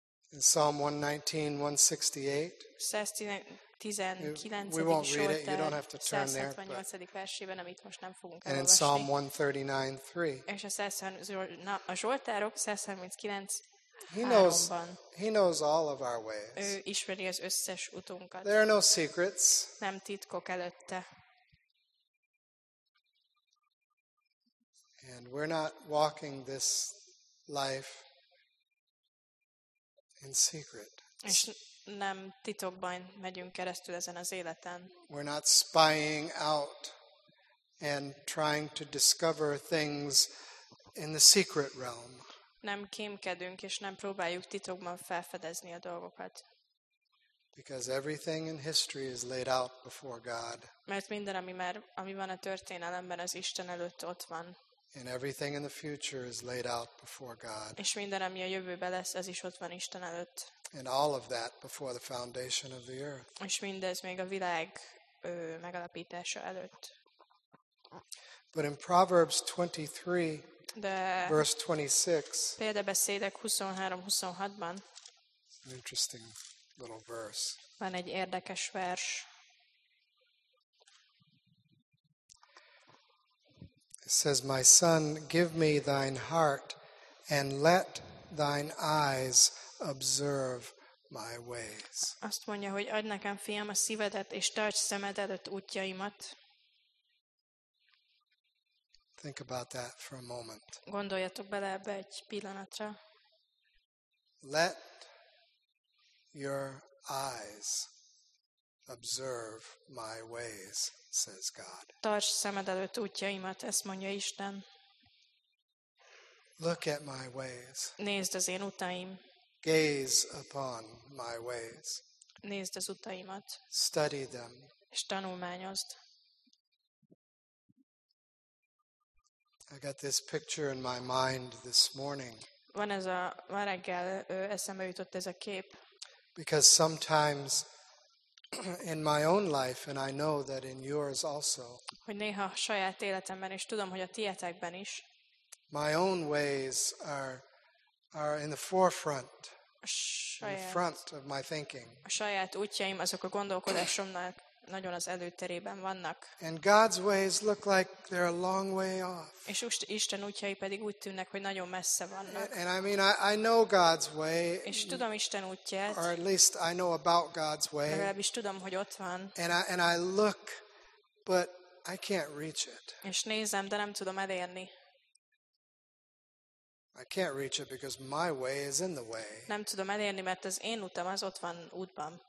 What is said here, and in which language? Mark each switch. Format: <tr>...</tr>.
<en>In Psalm 119:168. We won't read it. You don't have to turn there. 168.</en> <hu>versében, amit most nem fogunk elolvasni.</hu> <en>And in Psalm 139:3.</en> <hu>És a 139, a Zsoltárok 139.</hu> <en>He knows all of our ways.</en> <hu>Ő ismeri az összes utunkat.</hu> <en>There are no secrets.</en> <hu>Nem titkok előtte.</hu> <en>And we're not walking this life in secret.</en> <hu>És nem titokban megyünk keresztül ezen az életen.</hu> <en>We're not spying out and trying to discover things in the secret realm.</en> <hu>Nem kémkedünk és nem próbáljuk titokban felfedezni a dolgokat.</hu> <en>Because everything in history is laid out before God.</en> <hu>Mert minden, ami van a történelemben, az Isten előtt ott van.</hu> <en>And everything in the future is laid out before God.</en> <hu>És minden, ami a jövőben lesz, az is ott van Isten előtt.</hu> <en>And all of that before the foundation of the earth.</en> <hu>És mindez még a világ megalapítása előtt.</hu> <en>But in Proverbs 23, verse 26, an interesting little verse.</en> <hu>Van egy érdekes vers.</hu> <en>It says, "My son, give me thine heart, and let thine eyes observe my ways."</en> <hu>Azt mondja, hogy add nekem, fiam, a szívedet, és tarts szemed előtt útjaimat.</hu> <en>Think about that for a moment.</en> <hu>Gondoljatok bele ebbe egy pillanatra.</hu> <en>Let your eyes observe my ways, says God.</en> <hu>Tarts szemed előtt útjaimat, ezt mondja Isten.</hu> <en>Look at my ways.</en> <hu>Nézd az én utaim.</hu> <en>Gaze upon my ways.</en> <hu>Nézd az utaimat.</hu> <en>Study them.</en> <hu>És tanulmányozd.</hu> <en>I got this picture in my mind this morning.</en> <hu>Van ez a ma reggel eszembe jutott ez a kép.</hu> <en>Because sometimes in my own life, and I know that in yours also.</en> <hu>Hogy néha saját életemben is tudom, hogy a tiétekben is.</hu> <en>My own ways are in the forefront.</en> <hu>Saját,</hu> <en>in the front of my thinking.</en> <hu>A saját útjaim azok a gondolkodásomnak nagyon az előterében vannak.</hu> <en>And God's ways look like they're a long way off.</en> <hu>És Isten útjai pedig úgy tűnnek, hogy nagyon messze vannak.</hu> <en>And I mean, I know God's way.</en> <hu>És tudom Isten útját.</hu> <en>Or at least I know about God's way.</en> <hu>Legalábbis tudom, hogy ott van.</hu> <en>And I look, but I can't reach it.</en> <hu>És nézem, de nem tudom elérni.</hu> <en>I can't reach it because my way is in the way.</en> <hu>Nem tudom elérni, mert az én utam az ott van útban.</hu>